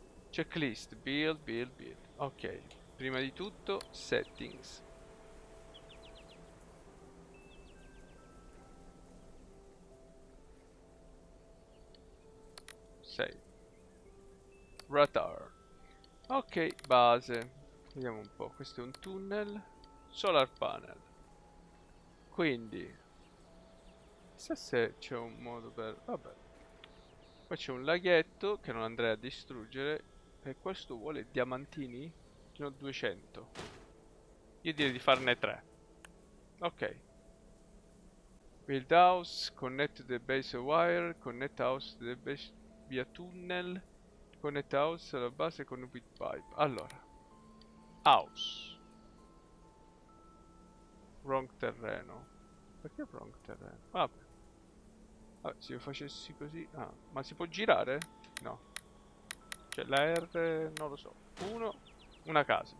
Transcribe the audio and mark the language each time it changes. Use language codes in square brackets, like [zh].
[en] Checklist, build, build, build. [it] Ok, prima di tutto, settings. Save. Radar. Ok, base. Vediamo un po', questo è un tunnel. [en] Solar panel. [it] Quindi, chissà se c'è un modo per. Vabbè. Qua c'è un laghetto che non andrei a distruggere. E questo vuole diamantini? Ce ne ho 200. Io direi di farne 3. Ok. [en] Build house. Connect the base wire. Connect house to the base via tunnel. Connect house [it] alla base con un pit pipe. Allora. House. Wrong terreno. Perché wrong terreno? Vabbè. Vabbè, se io facessi così. Ah, ma si può girare? No. Cioè la R non lo so. Uno. Una casa.